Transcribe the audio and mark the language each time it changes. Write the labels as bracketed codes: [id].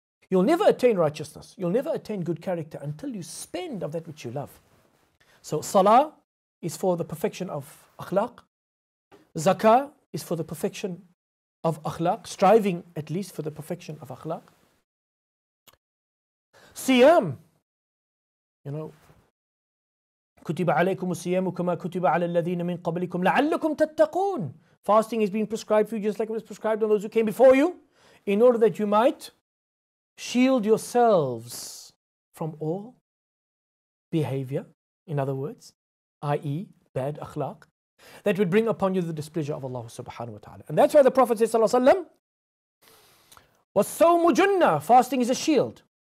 [en] You'll never attain righteousness. You'll never attain good character until you spend of that which you love. So salah is for the perfection of akhlaq. Zakah is for the perfection of akhlaq, striving at least for the perfection of akhlaq. [ar] Siyam, [en] you know, [ar] كُتِبَ عَلَيْكُمُ السِّيَامُ كَمَا كُتِبَ عَلَى الَّذِينَ مِنْ قَبْلِكُمْ لَعَلَّكُمْ تَتَّقُونَ. [en] Fasting is being prescribed for you just like it was prescribed on those who came before you, in order that you might shield yourselves from all behavior, in other words, i.e. bad akhlaq, that would bring upon you the displeasure of Allah subhanahu wa ta'ala. And that's why the Prophet says, sallallahu alayhi wa sallam, [ar] وَصَوْمُ جُنَّةً, [en] fasting is a shield.